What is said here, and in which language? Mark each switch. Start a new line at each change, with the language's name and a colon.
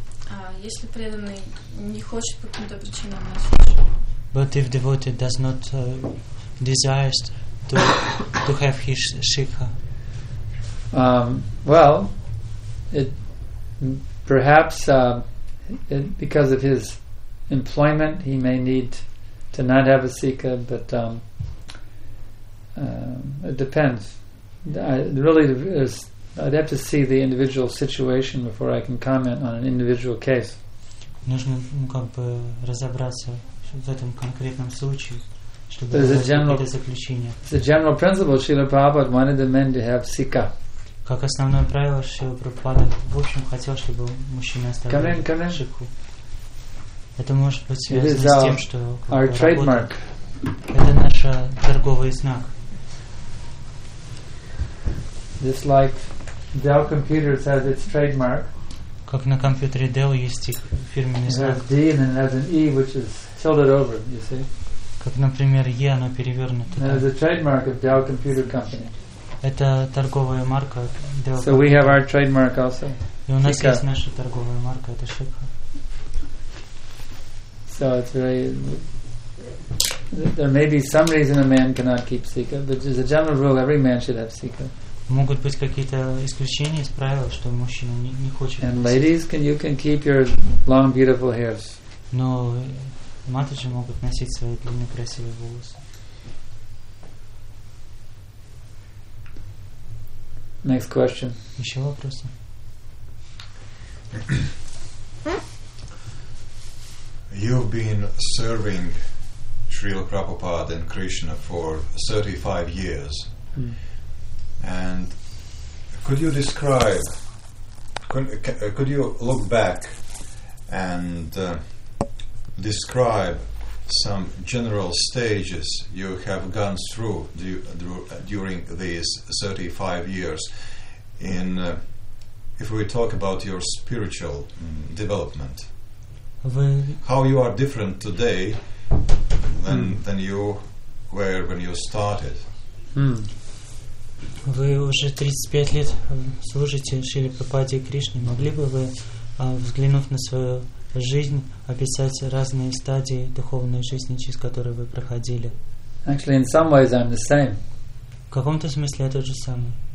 Russian: А если преданный не хочет по каким-то причинам носить шикху?
English: But if devotee does not desires to have his shikha. Well, it perhaps it, because of his employment, he may need to not have a shikha, but it depends. I'd have to see the individual situation before I can comment on an individual case.
Russian: Нужно как бы разобраться в этом конкретном случае, чтобы сделать заключение.
English: The general principle, Srila Prabhupada wanted the men to have sikha.
Russian: Как основное правило, Srila Prabhupada в общем хотел, чтобы мужчины оставили шикху. Это может быть связано с тем, что
English: our trademark.
Russian: Это наш торговый знак.
English: Just like Dell Computers has its trademark.
Russian: Как на компьютере Dell есть их фирменный знак.
English: It has D and then it has an E which is tilted over, you see.
Russian: Как, например, E, оно перевернуто.
English: That is a trademark of Dell Computer Company.
Russian: Это торговая марка Dell.
English: So we have our trademark also.
Russian: И у нас есть наша торговая марка, это шикха.
English: So it's very... There may be some reason a man cannot keep sikha, but as a general rule, every man should have sikha.
Russian: Могут быть какие-то исключения из правил, что мужчина не хочет.
English: And ladies, you can keep your long, beautiful hairs.
Russian: Но матушки могут носить свои длинные красивые волосы.
English: Next question.
Russian: Еще вопросы?
English: You've been serving Srila Prabhupada and Krishna for 35 years. Mm. And could you describe, could you look back and describe some general stages you have gone through during these 35 years in, if we talk about your spiritual development, how you are different today than you were when you started? Mm.
Russian: Вы уже 35 лет служите Шриле Прабхупаде и Кришне. Могли бы вы, взглянув на свою жизнь, описать разные стадии духовной жизни, через которые вы проходили?
English: Actually, in some ways I'm the same.
Russian: В каком-то смысле я тот же самый.